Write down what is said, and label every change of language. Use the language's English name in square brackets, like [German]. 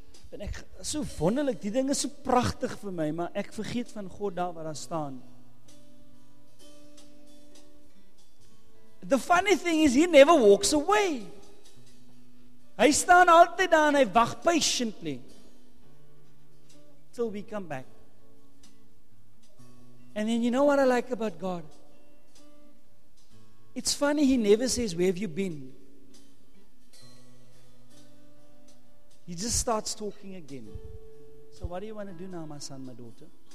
[Afrikaans] En ek so wonderlik, die ding is so pragtig vir my, maar ek vergeet van God daar waar daar staan. [English] The funny thing is he never walks away. [Afrikaans] Hy staan altyd daar en hy wag patiently. [English] Till we come back. And then you know what I like about God? It's funny, he never says, where have you been? He just starts talking again. So what do you want to do now, my son, my daughter?